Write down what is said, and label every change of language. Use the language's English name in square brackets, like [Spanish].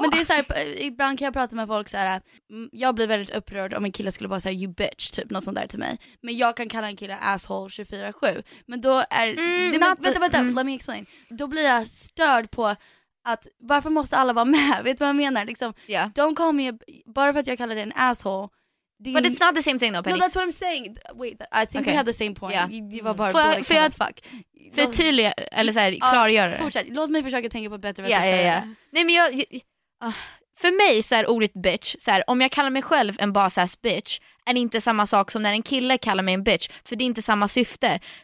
[Swedish] Men det är så här, ibland kan jag prata med folk så här. Jag blir väldigt upprörd om en kille skulle bara säga [English] you bitch, [Swedish] typ något sånt där till mig. Men jag kan kalla en kille asshole 24-7. Men då är... [English] let me explain. [Swedish] Då blir jag störd på att varför måste alla vara med? Vet du vad jag menar? Liksom, [English] don't call me... [Swedish] bara för att jag kallar dig en asshole. Din... [English] But it's not the same thing though, Penny. No, that's what I'm saying. Wait, I think we had the same point. [Swedish] Yeah. Det var bara... För tydliga, eller såhär, klargöra. Fortsätt, låt mig försöka tänka på bättre vad jag säger. Nej, men jag... för mig så är ordet bitch så här, om jag kallar mig själv en bossass bitch är inte samma sak som när en kille kallar mig en bitch, för det är inte samma syfte.